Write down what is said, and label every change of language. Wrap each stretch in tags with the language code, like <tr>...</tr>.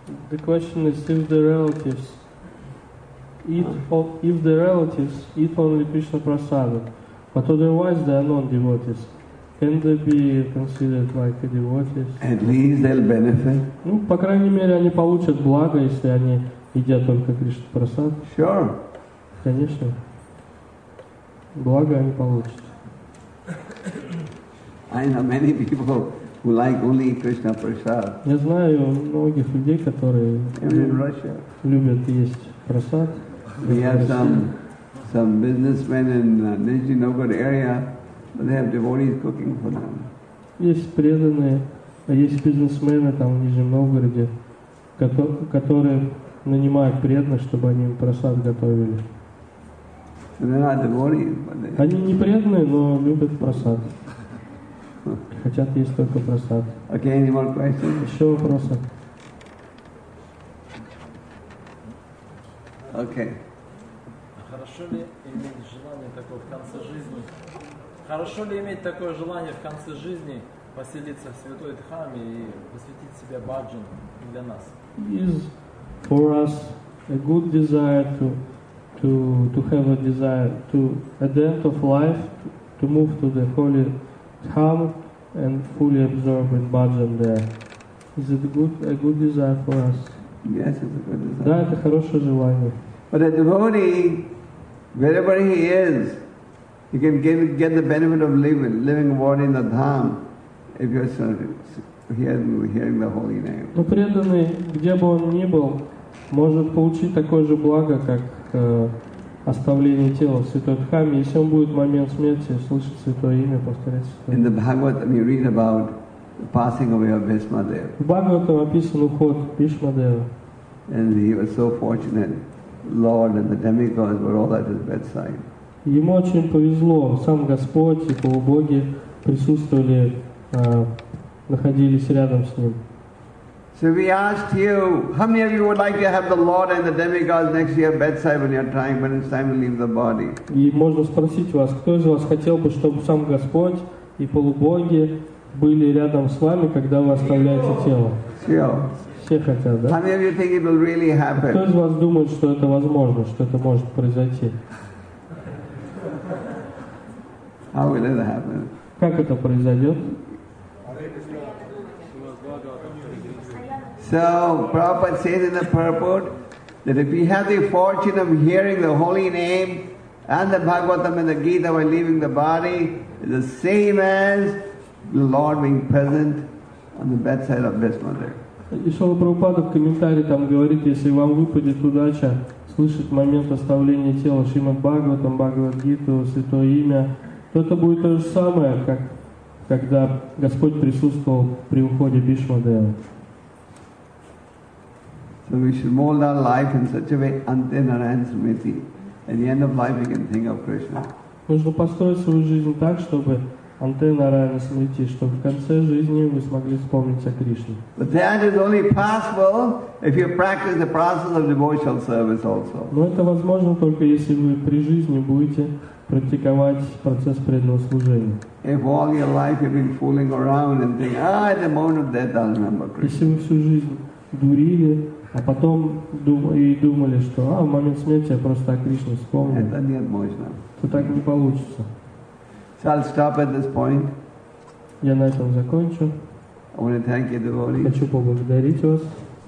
<en>The question is if the relatives eat only Krishna Prasada, but otherwise they are non-devotees, can they be considered like a devotee? At least they'll benefit.</en> <ru>Ну, по крайней мере, они получат благо, если они едят только Кришна Прасад.</ru> <en>Sure.</en> <ru>Конечно. Благо они получат.</ru> <en>I know many people who like only Krishna Prasad.</en> <ru>Я знаю многих людей, которые любят есть Прасад.</ru> <en>We have some businessmen in Nizhny Novgorod area, but they have devotees cooking for them.</en> <ru>Есть преданные, есть бизнесмены там в Нижнем Новгороде, которые нанимают преданных, чтобы они им Прасад готовили.</ru> <en>They're not devotees, but they...</en> <ru>Они не преданные, но любят Прасад. Хотят есть только просад.</ru> <en>Okay, any more questions?</en> <ru>Еще вопросы?</ru> <en>Okay.</en> <ru>Хорошо ли иметь желание такое в конце жизни? Хорошо ли иметь такое желание в конце жизни поселиться в святой дхаме и посвятить себя баджан для нас?</ru> <en>Is for us a good desire to have a desire to at the end of life to move to the holy dhamma and fully absorbed in bhajan there. Is it a good desire for us? Yes, it's a good desire.</en> <ru>Да, это хорошее желание.</ru> <en>But a devotee, wherever he is, he can get the benefit of living what in the dham if you're hearing the holy name.</en> <ru>Но преданный, где бы он ни был, может получить такое же благо, как оставление тела в святой дхаме, если он будет в момент смерти слышать святое имя, повторять святое имя.</ru> <en>In the Bhagavatam you read about the passing away of Bhishma Dev.</en> <ru>В Бхагаватам описан уход Бхишма Дева.</ru> <en>And he was so fortunate, Lord and the demigods were all at his bedside.</en> <ru>Ему очень повезло, сам Господь и полубоги присутствовали, находились рядом с ним.</ru> <en>So we asked you, how many of you would like to have the Lord and the demigods next to your bedside when it's time to leave the body?</en> <ru>И можно спросить вас, кто из вас хотел бы, чтобы сам Господь и полубоги были рядом с вами, когда вы оставляете тело? Все хотят, да?</ru> <en>How many of you think it will really happen?</en> <ru>Кто из вас думает, что это возможно, что это может произойти?</ru> <en>How will it happen?</en> <ru>Как это произойдет?</ru> <en>So Prabhupada says in the purport that if we have the fortune of hearing the holy name and the Bhagavatam and the Gita while leaving the body, it's the same as the Lord being present on the bedside of Bhishma Dev.</en> <ru>И Шрила Прабхупада в комментарии там говорит, если вам выпадет удача слышать момент оставления тела Шримад Бхагаватам, Бхагавад Гиту, Святое Имя, то это будет то же самое, как когда Господь присутствовал при уходе Бхишма Дева.</ru> <en>So we should mold our life in such a way, Ante Narayan Smriti. At the end of life, we can think of Krishna.</en> <ru>Нужно построить свою жизнь так, чтобы Ante Narayan Smriti, чтобы в конце жизни вы смогли вспомнить о Кришне.</ru> <en>But that is only possible if you practice the process of devotional service also.</en> <ru>Но это возможно только если вы при жизни будете практиковать процесс преданного служения.</ru> <en>If all your life you've been fooling around and think, at the moment of death, I'll remember Krishna.</en> <ru>Если вы всю жизнь дурили, А потом думали, что в момент смерти я просто о Кришне вспомню. Это невозможно. То так не получится.</ru> <en>So I'll stop at this point.</en> <ru>Я на этом закончу.</ru> <en>I want to thank you, devotees.</en> <ru>Хочу поблагодарить вас.</ru>